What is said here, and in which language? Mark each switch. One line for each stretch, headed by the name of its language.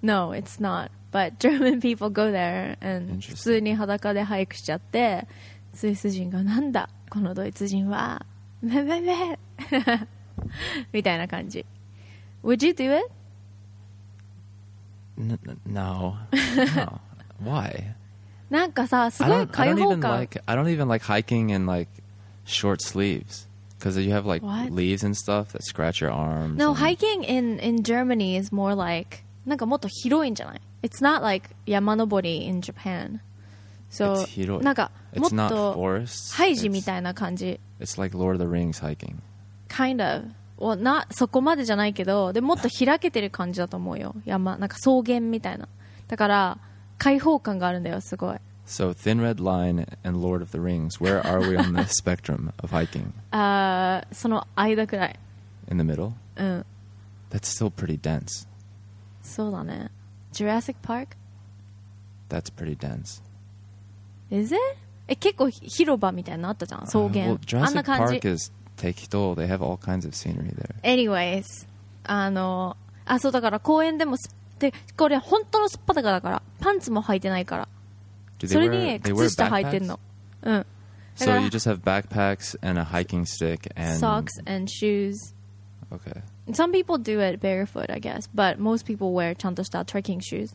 English: No, it's not But German people go there and
Japanese: 普通に裸でハイクしちゃってスイス人がなんだこのドイツ人はめめめみたいな感じ
English: Would you do it? No. No. Why?
Japanese: なんかさすごい開放感
English: I don't even like hiking in like short sleeves because you have like、 What? leaves and stuff that scratch your arms No, and... hiking in Germany is more like
Japanese: なんかもっと広いんじゃない
English: It's not like 山登り in Japan So It's 広い
Japanese: なんかもっと
English: It's not forests
Japanese: ハイジみたいな感じ
English: It's like Lord of the Rings hiking Kind of. Well, not
Japanese: そこまでじゃないけど、でもっと開けてる感じだと思うよ。山、なんか草原みたいな。だから、開放感があるんだよ、すごい。
English: So, Thin Red Line and Lord of the Rings, where are we on the spectrum of hiking?
Japanese: その間くらい。
English: In the middle?
Japanese: うん。
English: That's still pretty dense.
Japanese: そうだね。Jurassic Park?
English: That's pretty dense. Is it?
Japanese: え、結構広場みたいなのあったじゃん、草原。
English: Well, Jurassic
Japanese: あんな感じ。
English: Park isThey have all kinds of scenery there.
Japanese: Anyways, あの、あ、そうだから公園でもで、これ本当のすっぱだから、だからパンツも履いてないから。それに靴下履いてんの。うん。
English: So you just have backpacks and a hiking stick and socks and shoes. Okay. Some people do it barefoot, I guess, but most people wear ちゃんとした trekking shoes.